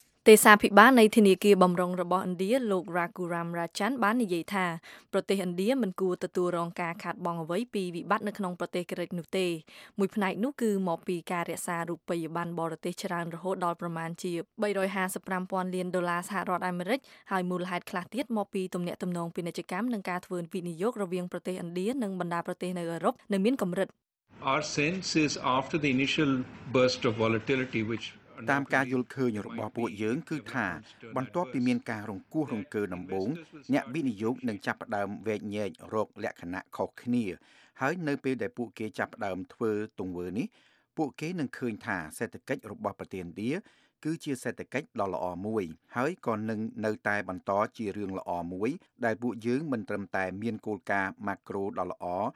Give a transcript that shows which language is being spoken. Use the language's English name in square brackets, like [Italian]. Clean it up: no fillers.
[Khmer] ទេសាភិបាលនៃធនាគារបំរុងរបស់ឥណ្ឌាលោក Raghuram Rajan បាននិយាយថាប្រទេសឥណ្ឌាមិនគួរទទួលរងការខាតបង់អ្វីពីវិបត្តិនៅក្នុងប្រទេសក្រិចនោះទេមួយផ្នែកនោះគឺមកពីការរក្សារូបិយប័ណ្ណបរទេសច្រើនរហូតដល់ប្រមាណជា355,000,000 ដុល្លារសហរដ្ឋអាមេរិកហើយមូលហេតុខ្លះទៀតមកពីទំនាក់ទំនងពាណិជ្ជកម្មនិងការធ្វើវិនិយោគរវាងប្រទេសឥណ្ឌានិងបណ្ដាប្រទេសនៅអឺរ៉ុបនៅមានកម្រិត [English] Our sense is after the initial burst of volatility which [Khmer] តាមការយល់ឃើញរបស់ពួកយើងគឺថាបន្ទាប់ពីមានការរង្គោះរង្គើដំបូងអ្នកវិនិយោគនឹងចាប់ផ្ដើមវែកញែករកលក្ខណៈខុសគ្នាហើយនៅពេលដែលពួកគេចាប់ផ្ដើមធ្វើទង្វើនេះពួកគេនឹងឃើញថាសេដ្ឋកិច្ចរបស់ប្រទេសឥណ្ឌាគឺជាសេដ្ឋកិច្ចដ៏ល្អមួយហើយក៏នឹងនៅតែបន្តជារឿងល្អមួយដែលពួកយើងមិនត្រឹមតែមានគោលការណ៍ម៉ាក្រូដ៏ល្អ